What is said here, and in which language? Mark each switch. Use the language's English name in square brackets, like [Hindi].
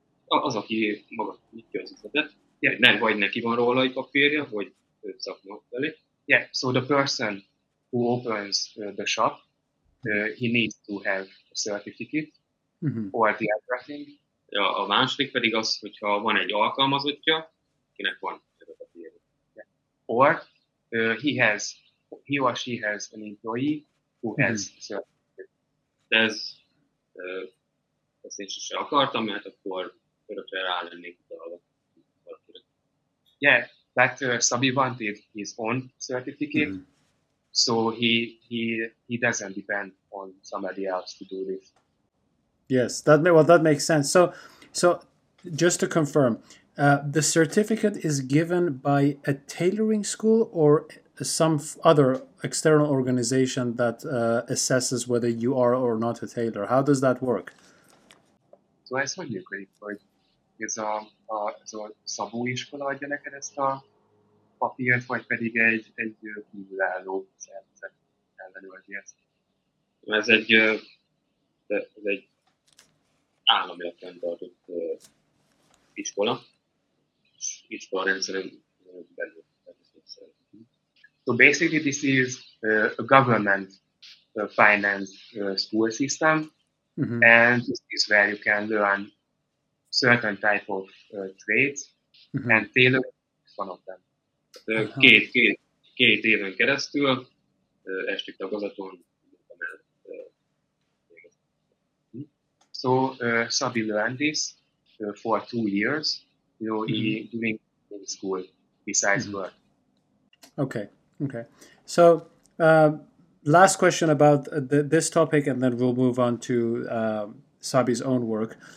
[Hungarian] az, aki maga nyitja az üzletet, yeah. Nem vagy neki van róla egy papírja, hogy szakma felé. [English] Yeah, so the person who opens the shop, he needs to have a certificate mm-hmm. or the other thing. [Hungarian] Ja, a második pedig az, hogyha van egy alkalmazottja, akinek van ez a papírja. [English] Yeah. Or he or she has an employee who has a certificate. [Hungarian] Ez sose akartam, mert akkor örökre rá lennék utalva. [English] Yeah, But Szabi wanted his own certificate, so he doesn't depend on somebody else to do this. Yes, that may, well, that makes sense. So just to confirm, the certificate is given by a tailoring school or some other external organization that assesses whether you are or not a tailor. How does that work? So I saw you, Greg, but is a [Hungarian] Szabó iskola adja neked ezt a papírt, vagy pedig egy kívülálló szervezet ellenőrzi ezt? Ez egy államilag fenntartott iskola, iskola rendszeren belül. [English] So basically, this is a government-financed school system, and this is where you can learn certain type of trades, and tailor is one of them. [Hungarian] Két éven keresztül esti tagozaton. [English] So Szabi learned this for 2 years, you know, he doing in school besides work. Okay. Okay, so last question about this topic, and then we'll move on to Szabi's own work.